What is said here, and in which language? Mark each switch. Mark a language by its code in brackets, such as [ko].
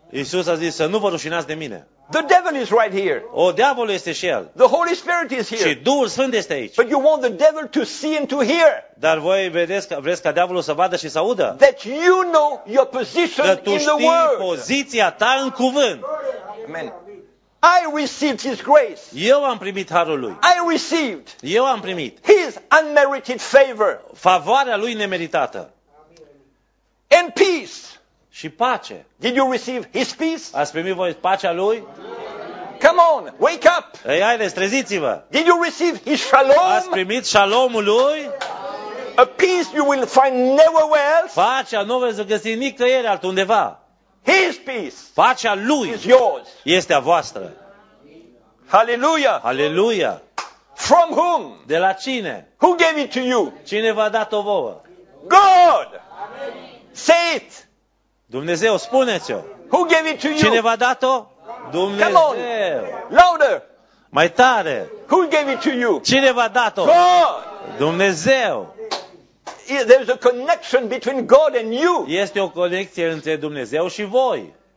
[ro] Iisus a zis să nu vă rușinați de mine. [en] The devil is right here. [ro] O, diavolul este și el. [en] The Holy Spirit is here. [ro] Și Duhul Sfânt este aici. [en] But you want the devil to see and to hear. [ro] Dar voi vreți ca diavolul să vadă și să audă? [en] That you know your position in the world. [ro] Că tu știi poziția ta în cuvânt. [en] Amen. I received his grace. [ro] Eu am primit harul lui. [en] I received. [ro] Eu am primit. [en] His unmerited favor. [ro] Favoarea lui nemeritată. [en] And peace. [ro] Și pace. [en] Did you receive his peace? [ro] Ați primit voi pacea lui? [en] Come on, wake up! [ro] Ei, haideți, treziți-vă! [en] Did you receive his shalom? [ro] Ați primit shalomul lui? [en] A peace you will find nowhere else. [ro] Pacea nu veți găsi nicăieri altundeva. [en] His peace. [ro] Pacea lui. [en] Is yours. [ro] Este a voastră. Hallelujah. Hallelujah. [en] From whom? [ro] De la cine? [en] Who gave it to you? [ro] Cine v-a dat-o vouă? [en] God. Amen. Say it. [ro] Dumnezeu, spuneți-o. [en] Who gave it to you? [ro] Cine v-a dat-o? Dumnezeu. [en] Come on, louder. [ro] Mai tare. [en] Who gave it to you? [ro] Cine v-a dat-o? [en] God. [ro] Dumnezeu. [en] There's a connection between God and you. [ro] Este o conexie între Dumnezeu și voi.